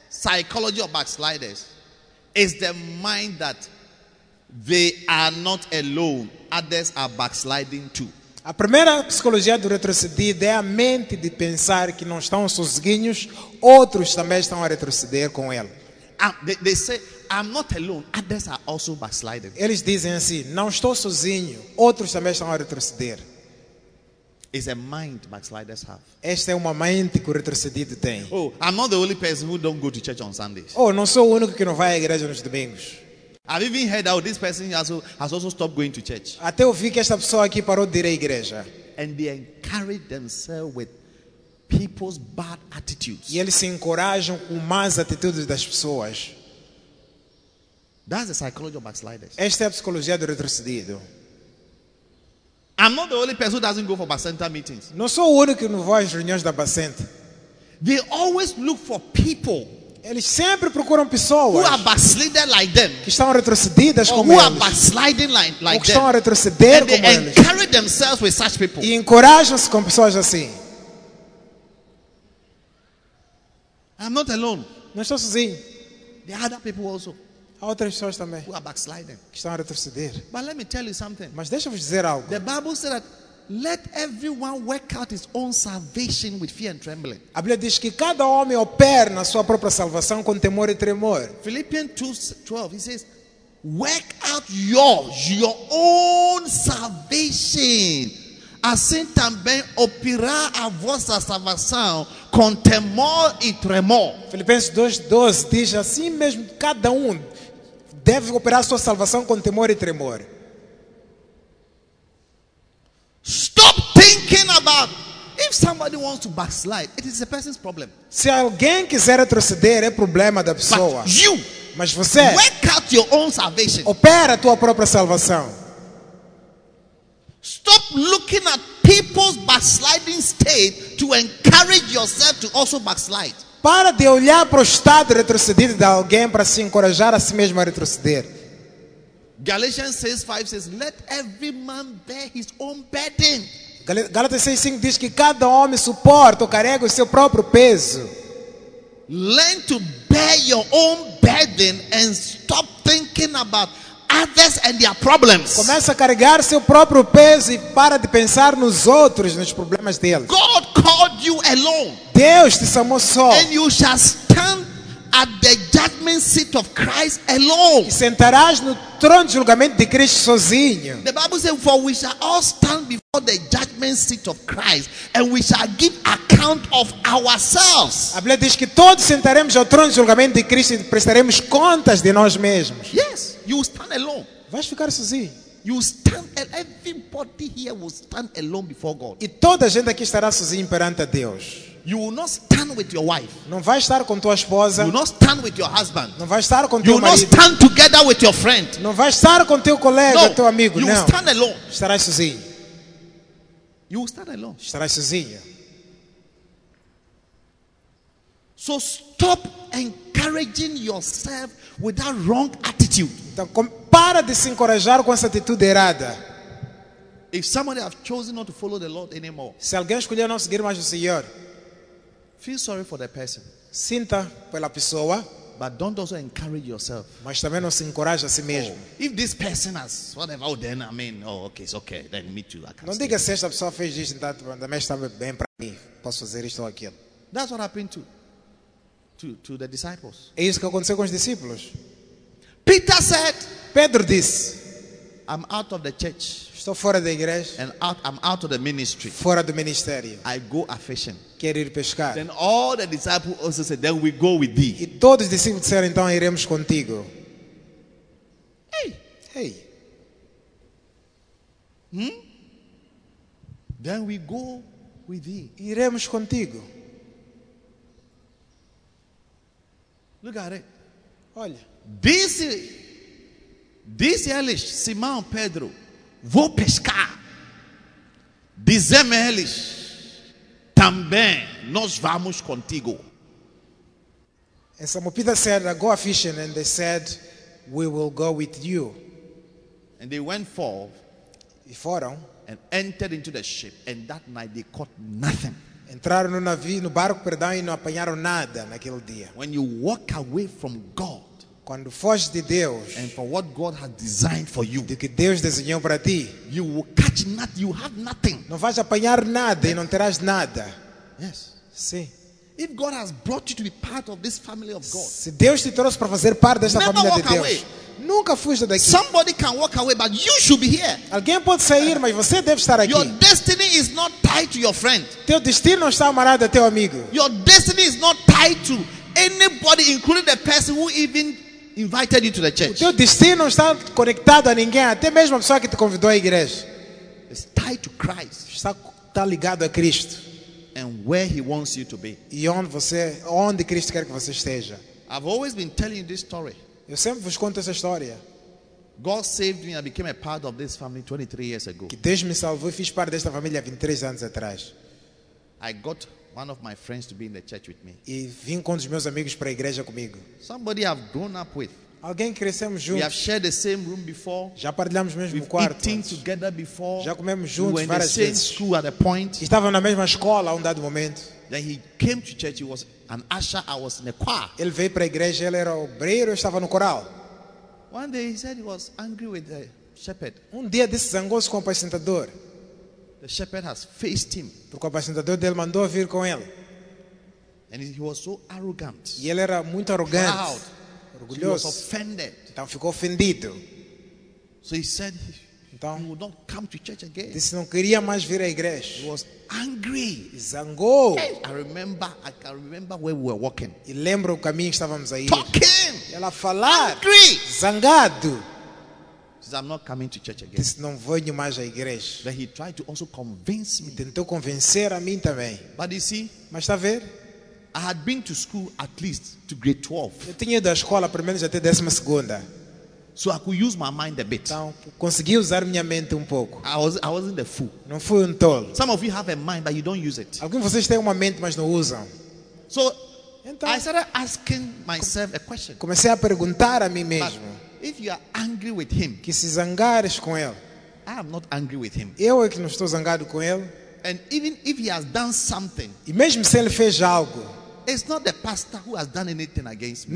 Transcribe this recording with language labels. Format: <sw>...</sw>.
<en>psychology of backsliders is the mind that they are not alone. Others are backsliding too.</en> <pt>A primeira psicologia do retrocedido é a mente de pensar que não estão sozinhos, outros também estão a retroceder com ele.</pt> <en>They say, I'm not alone. Others are also backsliding.</en> <pt>Eles dizem assim, não estou sozinho, outros também estão a retroceder.</pt> <en>It's a mind backsliders have.</en> <pt>Esta é uma mente que o retrocedido tem.</pt> <en>Oh, I'm not the only person who don't go to church on Sundays.</en> <pt>Oh, não sou o único que não vai à igreja nos domingos.</pt> <en>I've even heard that this person has also stopped going to church.</en> <pt>Até ouvi que esta pessoa aqui parou de ir à igreja.</pt> <en>And they encourage themselves with people's bad attitudes.</en> <pt>E eles se encorajam com más atitudes das pessoas.</pt> <en>That's the psychology of backsliders.</en> <pt>Esta é a psicologia do retrocedido.</pt> <en>I'm not the only person who doesn't go for Bacenta meetings.</en> <pt>Não sou o único que não vai às reuniões da Bacenta.</pt> <en>They always look for people.</en> <pt>Eles sempre procuram pessoas</pt> <en>who are backsliding like them,</en> <pt>que estão retrocedidas</pt> <en>or</en> <pt>como</pt> <en>who</en> <pt>eles,</pt> <en>are backsliding like</en> <pt>ou que estão a retroceder</pt> <en>and they</en> <pt>como</pt> <en>encourage</en> <pt>eles.</pt> <en>Themselves with such people.</en> <pt>E encorajam-se com pessoas assim.</pt> <en>I'm not alone.</en> <pt>Não estou sozinho.</pt> <en>There are other people also.</en> <pt>Há outras pessoas também</pt> <en>who are backsliding.</en> <pt>Que estão a retroceder.</pt> <en>But let me tell you something.</en> <pt>Mas deixa-vos dizer algo.</pt> <en>The Bible said that let everyone work out his own salvation with fear and trembling.</en> <pt>A Bíblia diz que cada homem opera na sua própria salvação com temor e tremor.</pt> <en>Philippians 2:12, he says, work out your own salvation.</en> <pt>Assim também operá a vossa salvação com temor e tremor. Filipenses 2:12 diz assim mesmo, cada deve operar a sua salvação com temor e tremor.</pt> <en>Stop thinking about if somebody wants to backslide, it is a person's problem.</en> <pt>Se alguém quiser retroceder, é problema da pessoa.</pt> <en>But you,</en> <pt>mas você,</pt> <en>work out your own salvation.</en> <pt>Opera a tua própria salvação.</pt> <en>Stop looking at people's backsliding state to encourage yourself to also backslide.</en> <pt>Para de olhar para o estado retrocedido de alguém para se encorajar a si mesmo a retroceder.</pt> <en>Galatians 6:5 says, let every man bear his own burden.</en> <pt>Galatians 6:5 diz que cada homem suporta ou carrega o seu próprio peso.</pt> <en>Learn to bear your own burden and stop thinking about others and their problems.</en> <pt>Começa a carregar seu próprio peso e para de pensar nos outros, nos problemas deles.</pt> <en>God called you alone.</en> <pt>Deus te chamou só.</pt> <en>And you shall stand at the judgment seat of Christ alone.</en> <pt>E sentarás no trono de julgamento de Cristo sozinho.</pt> <en>The Bible says, for we shall all stand before the judgment seat of Christ and we shall give account of ourselves.</en> <pt>A Bíblia diz que todos sentaremos ao trono de julgamento de Cristo e prestaremos contas de nós mesmos.</pt> <en>Yes, you stand alone.</en> <pt>Vais ficar sozinho.</pt> <en>You stand, everybody here will stand alone before God.</en> <pt>E toda a gente aqui estará sozinho perante Deus.</pt> <en>You will not stand with your wife.</en> <pt>Não vai estar com tua esposa.</pt> <en>You will not stand with your husband.</en> <pt>Não vai estar com</pt> <en>you</en> <pt>teu marido.</pt> <en>You will not stand together with your friend.</en> <pt>Não vai estar com teu colega,</pt> <en>no,</en> <pt>teu amigo,</pt> <en>you</en> <pt>não.</pt> <en>You will stand alone.</en> <pt>Estarás sozinho.</pt> <en>You will stand alone.</en> <pt>Estarás sozinho.</pt> <en>So stop encouraging yourself with that wrong attitude.</en> <pt>Então, para de se encorajar com essa atitude errada.</pt> <en>If somebody have chosen not to follow the Lord anymore.</en> <pt>Se alguém escolheu não seguir mais o Senhor.</pt> <en>Feel sorry for the person.</en> <pt>Sinta pela pessoa,</pt> <en>but don't also encourage yourself.</en> <pt>Mas também não se encoraje a si mesmo.</pt> <en>Oh, if this person has whatever, oh, then I mean, oh, okay, it's okay. Then me too. I</en> <pt>não diga se esta pessoa fez isso, então também está bem para mim. Posso fazer isto ou aquilo.</pt> <en>That's what happened to the disciples.</en> <pt>É isso que aconteceu com os discípulos.</pt> <en>Peter said,</en> <pt>Pedro disse,</pt> <en>I'm out of the church.</en> <pt>Estou fora da igreja.</pt> <en>And I'm out of the ministry.</en> <pt>Fora do ministério.</pt> <en>I go a fishing.</en> <pt>Quero ir pescar.</pt> <en>Then all the disciples also said, then we go with thee.</en> <pt>E todos os discípulos disseram, então iremos contigo. Hey. Hey.</pt> <en>Hmm? Then we go with thee.</en> <pt>Iremos contigo.</pt> <en>Look at it.</en> <pt>Olha. Diz eles, Simão Pedro, vou pescar. Dizem-me eles, também nós vamos contigo.</pt> <en>And some of Peter said, I go a fishing, and they said, we will go with you. And they went forth,</en> <pt>e foram,</pt> <en>and entered into the ship, and that night they caught nothing.</en> <pt>Entraram no navio, no barco, perdão, e não apanharam nada naquele dia.</pt> <en>When you walk away from God,</en> <pt>quando foges de Deus,</pt> <en>and for what God has designed for you,</en> <pt>de que Deus desenhou para ti,</pt> <en>you will catch nothing, you have nothing.</en> <pt>Não vais apanhar nada, yes, e não terás nada.</pt> <en>Yes.</en> <pt>Sim.</pt> <en>If God has brought you to be part of this family of God,</en> <pt>se Deus te trouxe para fazer parte desta família de Deus, nunca fuja daqui.</pt> <en>Somebody can walk away, but you should be here.</en> <pt>Alguém pode sair, mas você deve estar aqui.</pt> <en>Your destiny is not tied to your friend.</en> <pt>Teu destino não está amarrado a teu amigo.</pt> <en>Your destiny is not tied to anybody, including the person who even invited you to the church.</en> <pt>O teu destino não está conectado a ninguém, até mesmo a pessoa que te convidou à igreja.</pt> <en>It's tied to Christ.</en> <pt>Está ligado a Cristo.</pt> <en>And where he wants you to be.</en> <pt>E onde você, onde Cristo quer que você esteja.</pt> <en>I've always been telling you this story.</en> <pt>Eu sempre vos conto essa história.</pt> <en>God saved me and became a part of this family 23 years ago.</en> <pt>Que Deus me salvou e fiz parte desta família 23 anos atrás.</pt> <en>I got one of my friends to be in the church with me.</en> <pt>E vim com um dos meus amigos para a igreja comigo.</pt> <en>Somebody I've grown up with.</en> <pt>Alguém que crescemos juntos.</pt> <en>We have shared the same room before.</en> <pt>Já partilhamos o mesmo quarto.</pt> <en>Eating together before.</en> <pt>Já comemos juntos várias vezes.</pt> <en>We were in the same school at a point.</en> <pt>Estávamos na mesma escola a um dado momento.</pt> <en>Then he came to church. He was an usher. I was in the choir.</en> <pt>Ele veio para a igreja. Ele era obreiro. Eu estava no coral.</pt> <en>One day he said he was angry with the shepherd.</en> <pt>Um dia disse zangou-se com o apacentador.</pt> <en>The shepherd has faced him.</en> <pt>Porque o apacentador dele mandou vir com ele.</pt> <en>And he was so arrogant.</en> <pt>E ele era muito arrogante.</pt> <en>Proud.</en> <pt>Orgulhoso.</pt> <en>He was offended.</en> <pt>Então ficou ofendido.</pt> <en>So he said, então, he would not come to church again.</en> <pt>Disse não queria mais vir à igreja.</pt> <en>He was angry.</en> <pt>Zangou.</pt> <en>Yes. I can remember where we were walking.</en> <pt>E lembro o caminho que estávamos aí.</pt> <en>Talking.</en> <pt>Ela falar.</pt> <en>Angry.</en> <pt>Zangado.</pt> <en>Says, I'm not coming to church again.</en> <pt>Disse não venho mais à igreja.</pt> <en>Then he tried to also convince me.</en> <pt>E tentou convencer a mim também.</pt> <en>But you see,</en> <pt>mas está a ver?</pt> <en>I had been to school at least to grade 12.</en> <pt>Eu tinha ido à escola pelo menos até 12ª.</pt> <en>So I could use my mind a bit.</en> <pt>Então, consegui usar minha mente um pouco.</pt> <en>I wasn't a fool.</en> <pt>Não fui tolo.</pt> <en>Some of you have a mind but you don't use it.</en> <pt>Alguns de vocês têm uma mente mas não usam.</pt> <en>So, então, I started asking myself a question.</en> <pt>Comecei a perguntar a mim mesmo.</pt> <en>If you are angry with him,</en> <pt>que se zangares com ele.</pt> <en>I am not angry with him.</en> <pt>Eu é que não estou zangado com ele.</pt> <en>And even if he has done something,</en> <pt>e mesmo se ele fez algo,</pt> <en>it's not the pastor who has done anything against me.</en>